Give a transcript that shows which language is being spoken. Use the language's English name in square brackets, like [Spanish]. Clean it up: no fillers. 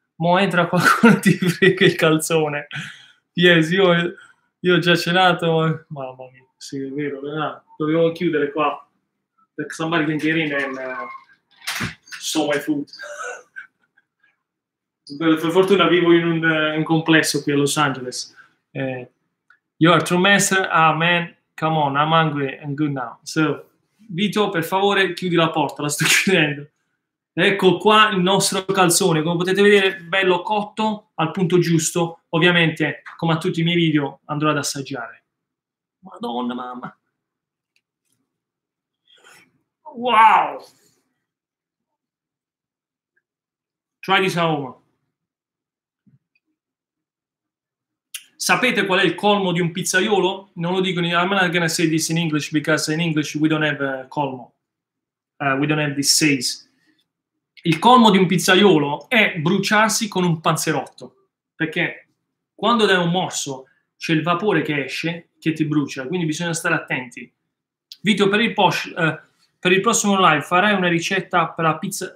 [Italian] Mo entra qualcuno ti frega il calzone. Yes, io ho già cenato, mamma mia, sì, è vero, no, dovevo chiudere qua, perché [English] somebody can get in and saw my food. [Italian] Per fortuna vivo in un complesso qui a Los Angeles. [English] You are true master, man, come on, I'm hungry and good now. [Italian] So, Vito, per favore, chiudi la porta, la sto chiudendo. Ecco qua il nostro calzone, come potete vedere, bello cotto al punto giusto. Ovviamente, come a tutti i miei video, andrò ad assaggiare. Madonna, mamma. [English] Wow! Try this at home. [Italian] Sapete qual è il colmo di un pizzaiolo? Non lo dico, [English] I'm not gonna say this in English, because in English we don't have colmo. We don't have this says. [Italian] Il colmo di un pizzaiolo è bruciarsi con un panzerotto. Perché... quando dai un morso, c'è il vapore che esce, che ti brucia, quindi bisogna stare attenti. Vito, per il prossimo live farai una ricetta per la pizza?